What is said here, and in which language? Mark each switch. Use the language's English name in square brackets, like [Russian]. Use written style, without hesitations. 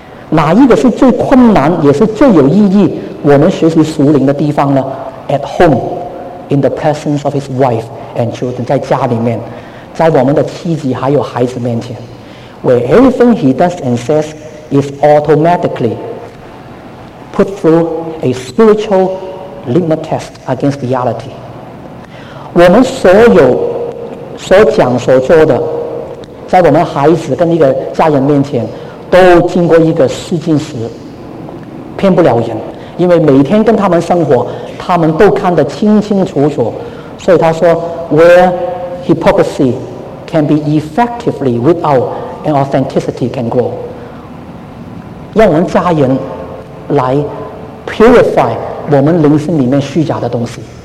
[Chinese] 哪一个是最困难也是最有意义我们学习属灵的地方呢？ [English] At home in the presence of his wife and children，在家里面，在我们的妻子还有孩子面前， where everything he does and says is automatically put through a spiritual litmus test against reality。 [Chinese] 我们所有所讲所做的，在我们孩子跟一个家人面前，都经过一个试镜石，骗不了人，因为每天跟他们生活，他们都看得清清楚楚。所以他说 ， Where hypocrisy can be effectively without an authenticity can grow，让我们家人来 purify 我们灵性里面虚假的东西。